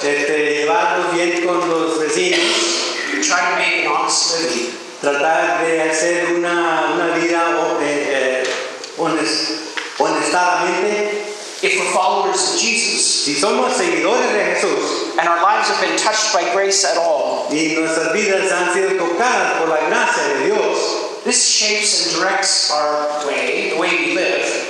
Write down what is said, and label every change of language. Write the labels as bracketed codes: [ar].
[es] Llevarnos bien con los vecinos. [en] We try to make an honest living. [es] Tratar de hacer una vida honestamente. [en] If we're followers of Jesus, [es] si somos seguidores de Jesús, [en] and our lives have been touched by grace at all. [es] Y nuestras vidas han sido tocadas por la gracia de Dios. [en] This shapes and directs our way, the way we live.